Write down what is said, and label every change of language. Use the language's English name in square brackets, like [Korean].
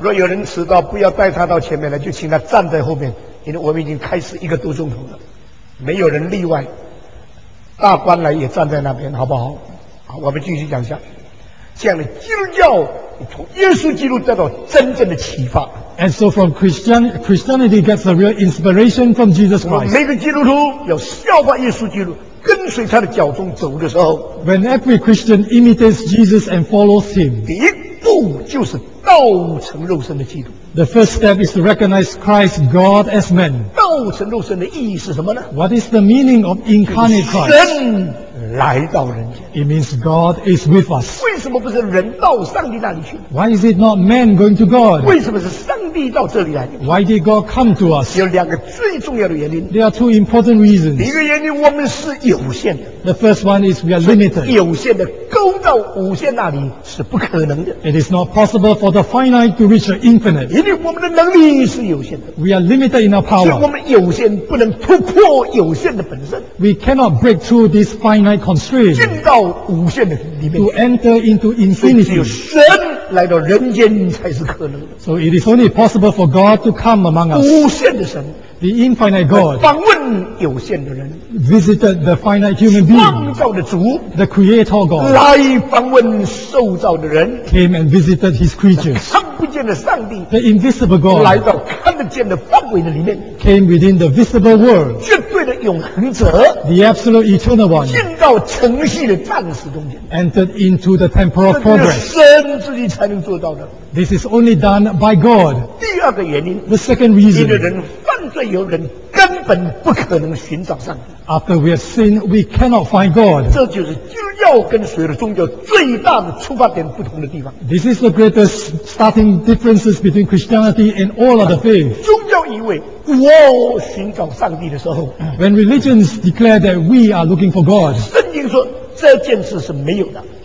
[Chinese] 若有人迟到，不要带他到前面来，就请他站在后面，因为我们已经开始一个多钟头了，没有人例外。大官来也站在那边，好不好？好，我们继续讲下。这样的基督教，从耶稣基督得到真正的启发。 [English] And so from Christianity gets a real inspiration from Jesus Christ. [Chinese] 每个基督徒要效法耶稣基督，跟随他的脚踪走的时候。 [English] When every Christian imitates Jesus and follows him. [Chinese] 第一步就是道成肉身的基督。 [English] The first step is to recognize Christ, God as man. [Chinese] 道成肉身的意义是什么呢 [English] ？What is the meaning of incarnate Christ? [Chinese] 神来到人间。 [English] It means God is with us. [Chinese] 为什么不是人到上帝那里去 [English] ？Why is it not man going to God? [Chinese] 为什么是上帝到这里来 [English] ？Why did God come to us? [Chinese] 有两个最重要的原因。 [English] There are two important reasons. [Chinese] 第一个原因，我们是有限的。 [English] The first one is we are limited. [Chinese] 有限的勾到无限那里是不可能的。 [English] It is not possible for the finite to reach the infinite. [Chinese] 因为我们的能力是有限的。 [English] We are limited in our power. [Chinese] 所以我们有限，不能突破有限的本身。 [English] We cannot break through this finite constraint. [Chinese] 进到无限的里面。 [English] To enter into infinity. [Chinese] 只有神来到人间才是可能的。 [English] So it is only possible for God to come among us. [Chinese] 无限的神。 [English] The infinite God [Chinese] 访问有限的人 [English] visited the finite human being [Chinese] 创造的主 [English] the creator God [Chinese] 来访问受造的人 [English] came and visited his creatures [Chinese] 看不见的上帝 [English] the invisible God [Chinese] 来到看得见的范围的里面 [English] came within the visible world [Chinese] 绝对的永恒者 [English] the absolute eternal one [Chinese] 进到程序的暂时中间 [English] entered into the temporal progress [Chinese] 这是神自己才能做到的 [English] this is only done by God [Chinese] 第二个原因 [English] the second reason [Chinese] 因为人犯罪有人根本不可能寻找上帝。 [English] After we have sinned, we cannot find God. [Chinese] 这就是基督教跟所有的宗教最大的出发点不同的地方。 [English] This is the greatest starting differences between Christianity and all other faiths. [Chinese] 宗教以为我寻找上帝的时候 [English] ，When religions declare that we are looking for God， [Chinese] 圣经说这件事是没有的。